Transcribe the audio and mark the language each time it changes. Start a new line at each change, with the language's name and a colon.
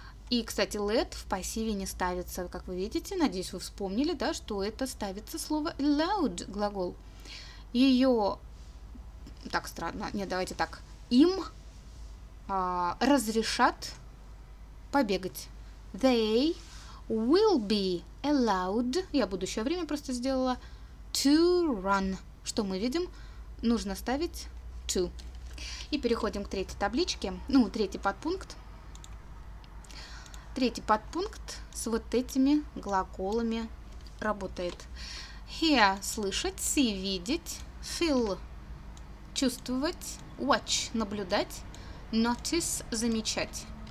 Russian: И, кстати, let в пассиве не ставится, как вы видите. Надеюсь, вы вспомнили, да, что это ставится слово allowed, глагол. Ее, так странно, нет, давайте так, им разрешат побегать.
English: They will be allowed,
Russian: я будущее время просто сделала,
English: to run.
Russian: Что мы видим? Нужно ставить to. И переходим к третьей табличке, ну, третий подпункт. Третий подпункт с вот этими глаголами работает. Hear – слышать, see – видеть, feel – чувствовать, watch – наблюдать, notice – замечать.